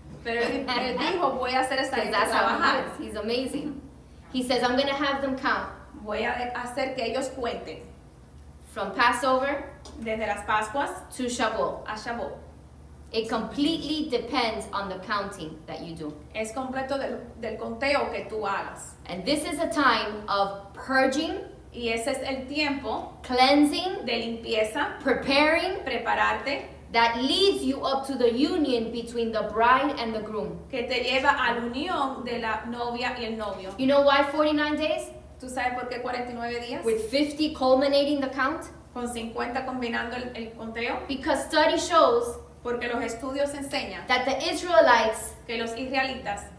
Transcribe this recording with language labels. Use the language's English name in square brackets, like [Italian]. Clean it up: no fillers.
[Spanish] Pero él dijo, voy a hacer esta gente trabajar. [English] He He's amazing. He says, I'm going to have them count. [Spanish] Voy a hacer que ellos cuenten. [English] From Passover. [Spanish] Desde las Pascuas. [English] To Shavuot. [Spanish] A Shavuot. [English] It completely depends on the counting that you do. [Spanish] Es completo del conteo que tú hagas. [English] And this is a time of purging. [Spanish] Y ese es el tiempo. [English] Cleansing. [Spanish] De limpieza. [English] Preparing. [Spanish] Prepararte. [English] That leads you up to the union between the bride and the groom. [Spanish] Que te lleva a la unión de la novia y el novio. [English] You know why 49 days? [Spanish] ¿Tú sabes por qué 49 días? [English] With 50 culminating the count. [Spanish] Con 50 combinando el conteo. [English] Because study shows, [Spanish] porque los estudios enseñan, [English] that the Israelites, [Spanish] que los israelitas,